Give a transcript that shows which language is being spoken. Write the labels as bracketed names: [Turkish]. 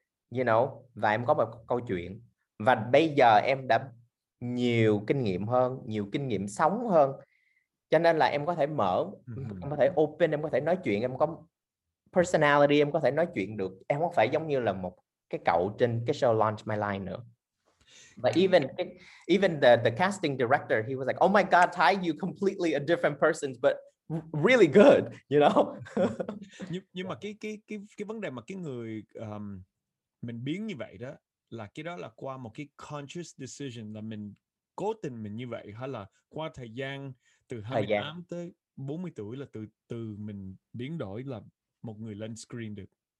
[English] You know, [Vietnamese] và em có một câu chuyện. Và bây giờ em đã nhiều kinh nghiệm hơn, nhiều kinh nghiệm sống hơn. Cho nên là em có thể mở, em có thể open, em có thể nói chuyện, em có personality, em có thể nói chuyện được. Em không phải giống như là một cái cậu trên cái show Launch My Line nữa. [English] But even the casting director, he was like, oh my God, Ty, you completely a different person, but really good, you know? [Vietnamese] nhưng mà cái vấn đề mà cái người mình biến như vậy đó, là cái đó là qua một cái conscious decision, là mình cố tình mình như vậy, hay là qua thời gian từ 28 tới 40 tuổi là từ mình biến đổi là một người lên screen được?